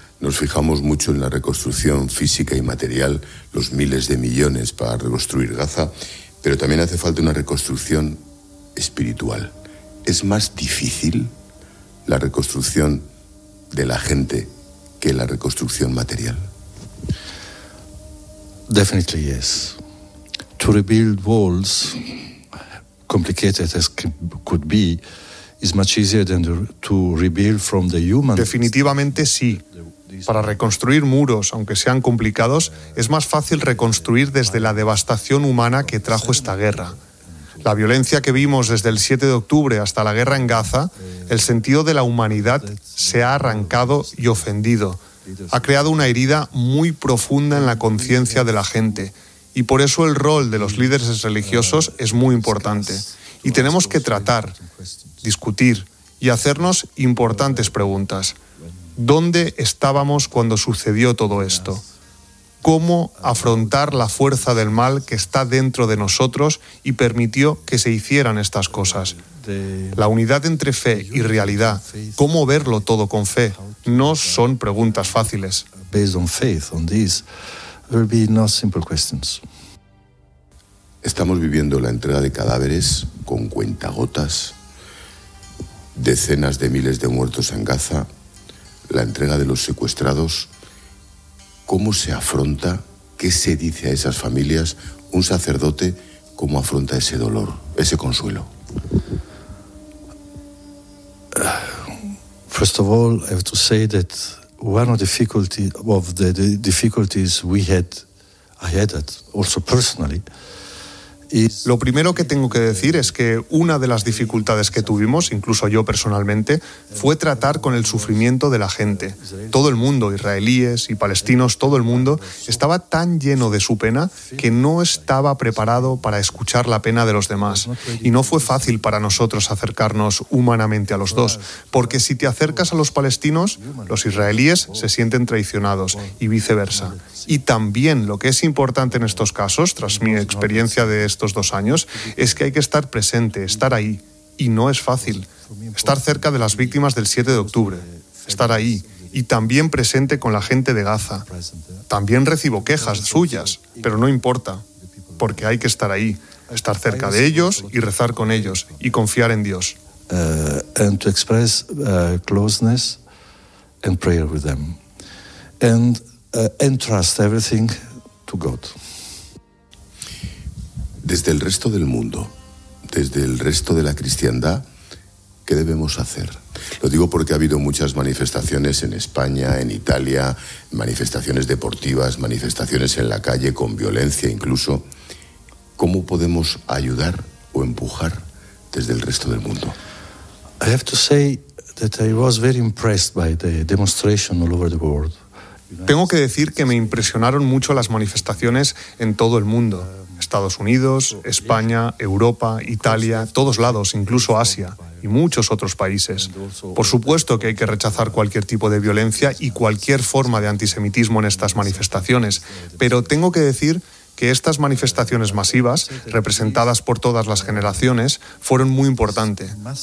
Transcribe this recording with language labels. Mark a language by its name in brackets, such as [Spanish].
[Spanish] Nos fijamos mucho en la reconstrucción física y material, los miles de millones para reconstruir Gaza, pero también hace falta una reconstrucción espiritual. ¿Es más difícil la reconstrucción de la gente que la reconstrucción material? [English] Definitely yes. To rebuild walls, complicated as could be, is much easier than to rebuild from the human. [Spanish] Definitivamente sí. Para reconstruir muros, aunque sean complicados, es más fácil reconstruir desde la devastación humana que trajo esta guerra. La violencia que vimos desde el 7 de octubre hasta la guerra en Gaza, el sentido de la humanidad se ha arrancado y ofendido. Ha creado una herida muy profunda en la conciencia de la gente. Y por eso el rol de los líderes religiosos es muy importante. Y tenemos que tratar, discutir y hacernos importantes preguntas. ¿Dónde estábamos cuando sucedió todo esto? ¿Cómo afrontar la fuerza del mal que está dentro de nosotros y permitió que se hicieran estas cosas? La unidad entre fe y realidad, cómo verlo todo con fe, no son preguntas fáciles. [English] Based on faith, on this, will be no simple questions. [Spanish] Estamos viviendo la entrega de cadáveres con cuentagotas, decenas de miles de muertos en Gaza, la entrega de los secuestrados. ¿Cómo se afronta, qué se dice a esas familias, un sacerdote, cómo afronta ese dolor, ese consuelo? [English] First of all, I have to say that one of the difficulties I had also personally. [Spanish] Lo primero que tengo que decir es que una de las dificultades que tuvimos, incluso yo personalmente, fue tratar con el sufrimiento de la gente. Todo el mundo, israelíes y palestinos, todo el mundo, estaba tan lleno de su pena que no estaba preparado para escuchar la pena de los demás. Y no fue fácil para nosotros acercarnos humanamente a los dos, porque si te acercas a los palestinos, los israelíes se sienten traicionados, y viceversa. Y también lo que es importante en estos casos, tras mi experiencia de estos dos años, es que hay que estar presente, estar ahí. Y no es fácil. Estar cerca de las víctimas del 7 de octubre. Estar ahí. Y también presente con la gente de Gaza. También recibo quejas suyas, pero no importa. Porque hay que estar ahí. Estar cerca de ellos y rezar con ellos. Y confiar en Dios. [English] And to express closeness and prayer with them. And trust everything to God. [Spanish] Desde el resto del mundo, desde el resto de la cristiandad, ¿qué debemos hacer? Lo digo porque ha habido muchas manifestaciones en España, en Italia, manifestaciones deportivas, manifestaciones en la calle, con violencia incluso. ¿Cómo podemos ayudar o empujar desde el resto del mundo? [English] I have to say that I was very impressed by the demonstration all over the world. [Spanish] Tengo que decir que me impresionaron mucho las manifestaciones en todo el mundo. Estados Unidos, España, Europa, Italia, todos lados, incluso Asia y muchos otros países. Por supuesto que hay que rechazar cualquier tipo de violencia y cualquier forma de antisemitismo en estas manifestaciones, pero tengo que decir que estas manifestaciones masivas, representadas por todas las generaciones, fueron muy importantes.